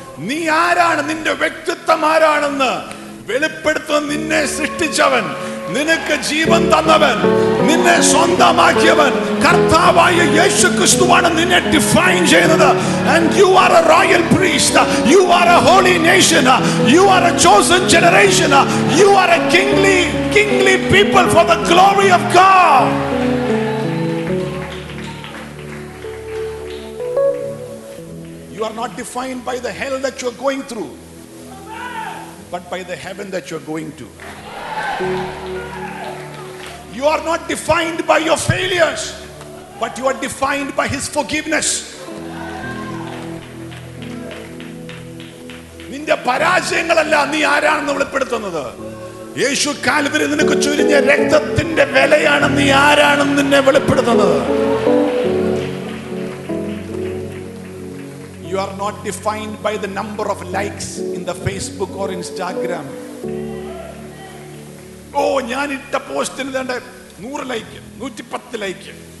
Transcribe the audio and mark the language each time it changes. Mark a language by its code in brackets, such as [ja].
[ml] നീ ആരാണ് നിന്റെ വ്യക്തിത്വം ആരാണെന്ന് വെളിപ്പെടുത്തുന്ന നിന്നെ സൃഷ്ടിച്ചവൻ നിനക്ക് ജീവൻ തന്നവൻ നിന്നെ സ്വന്തമാക്കിയവൻ കർത്താവായ യേശു ക്രിസ്തുവാണ് നിന്നെ ഡിഫൈൻ ചെയ്യുന്നത് [en] And you are a royal priest you are a holy nation you are a chosen generation you are a kingly people for the glory of God You are not defined by the hell that you are going through but by the heaven that you are going to You are not defined by your failures, but you are defined by his forgiveness. [ml] നിന്റെ പരാജയങ്ങളല്ല നീ ആരാണെന്ന് വെളിപ്പെടുത്തുന്നത്. യേശു Calvary നിനക്ക് ചൊരിഞ്ഞ രക്തത്തിന്റെ വിലയാണ് നീ ആരാണെന്ന് നിന്നെ വെളിപ്പെടുത്തുന്നത്. [en] You are not defined by the number of likes in the Facebook or Instagram. [ml] Oh, ഞാൻ ഇട്ട പോസ്റ്റിന് തന്നെ 100 ലൈക്ക്, 110 ലൈക്ക്.